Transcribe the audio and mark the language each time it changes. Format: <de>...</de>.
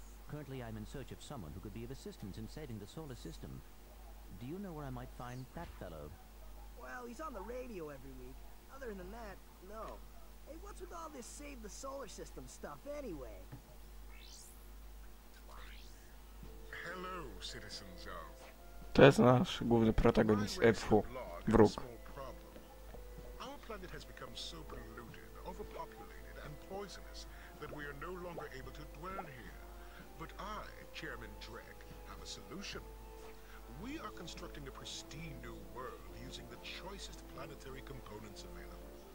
<en>Currently I'm in search of someone who could be of assistance in saving the solar system. Do you know where I might find that fellow? Well, he's on the radio every week. Other than that, no. Hey, what's with all this save the solar system stuff anyway? Hello, citizens of...</en> <pl>to jest nasz główny protagonist, Epfu, wróg.</pl> <en>Our planet has become so polluted, overpopulated and poisonous that we are no longer able to dwell here. But I, Chairman Dreg, have a solution. We are constructing a pristine new world using the choicest planetary components available.</en>